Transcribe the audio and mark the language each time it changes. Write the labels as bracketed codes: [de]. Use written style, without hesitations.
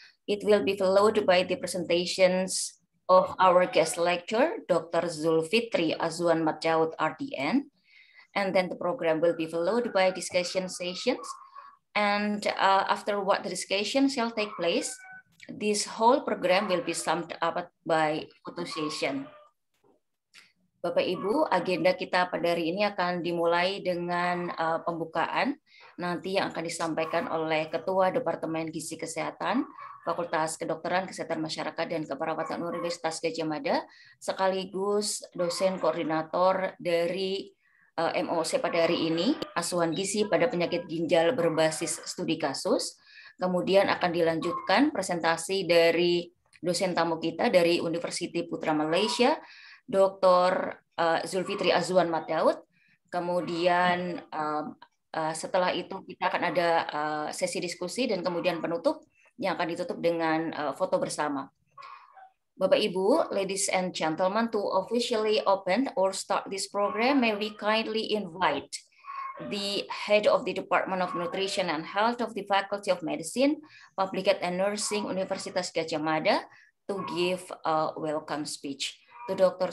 [en] It will be followed by the presentations of our guest lecturer, Dr. Zulfitri Azuan Madaud, RDN. And then the program will be followed by discussion sessions. And after what the discussion shall take place, this whole program will be summed up by photo session. [id] Bapak Ibu, agenda kita pada hari ini akan dimulai dengan pembukaan nanti yang akan disampaikan oleh Ketua Departemen Gizi Kesehatan Fakultas Kedokteran Kesehatan Masyarakat dan Keperawatan Universitas Gadjah Mada sekaligus dosen koordinator dari MOOC pada hari ini, Asuhan Gizi pada Penyakit Ginjal Berbasis Studi Kasus. Kemudian akan dilanjutkan presentasi dari dosen tamu kita dari Universiti Putra Malaysia, Dr. Zulfitri Azuan Mat Daud. Kemudian setelah itu kita akan ada sesi diskusi dan kemudian penutup yang akan ditutup dengan foto bersama. Bapak Ibu, [en] ladies and gentlemen, to officially open or start this program, may we kindly invite the head of the Department of Nutrition and Health of the Faculty of Medicine, Public Health and Nursing Universitas Gajah Mada to give a welcome speech to Dr.